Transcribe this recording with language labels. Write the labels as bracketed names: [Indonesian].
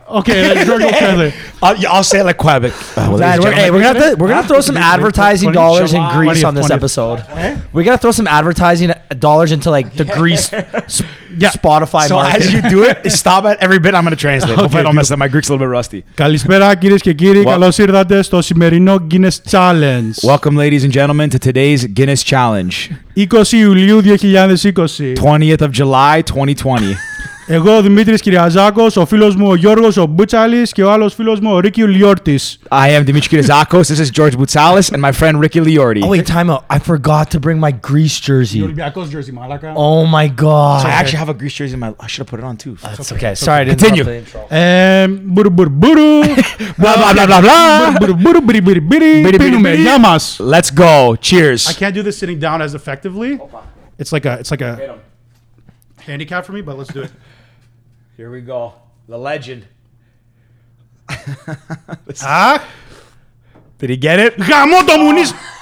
[English] Okay, George will translate. I'll say it like Quebec. We're gonna throw some advertising dollars in Greece on this episode. We gotta throw some advertising dollars into like the Greece. Yeah. Spotify so market. As you do it, stop at every bit. I'm going to translate. Okay, hopefully I don't mess up. My Greek's a little bit rusty. [Greek] Καλησπέρα κυρίες και κύριοι. Καλώς ήρθατε στο σημερινό Guinness Challenge. [English] Welcome ladies and gentlemen to today's Guinness Challenge. [Greek] 20 Ιουλίου 2020. [English] 20th of July 2020. [Greek] Εγώ ο Δημήτρης Κυριαζάκος, ο φίλος μου ο Γιώργος ο Μπουτσάλης και ο άλλος φίλος μου ο Ρίκη Λιόρτης. [English] I am Δημήτρης Κυριαζάκος, this is George Μπουτσάλης and my friend Ricky Liorti. Oh wait, time out. I forgot to bring my Greece jersey. [Greek] Ολυμπιακός jersey, Μαλάκα. [English] Oh my god. So I actually have a Greece jersey in my... I should have put it on too. That's okay. Sorry, I didn't continue. Μπουρου μπουρου μπουρου. Μπλα μπλα μπλα μπλα μπλα. Μπουρου μπουρου μπιρι μπιρι μπιρι. Μπιρι μπιρι μπιρι. Γεια μας. Let's go. Cheers. I can't do this sitting down as effectively. It's like a handicap for me, but let's do it. Here we go. The legend. Did he get it? Gamoto Muniz.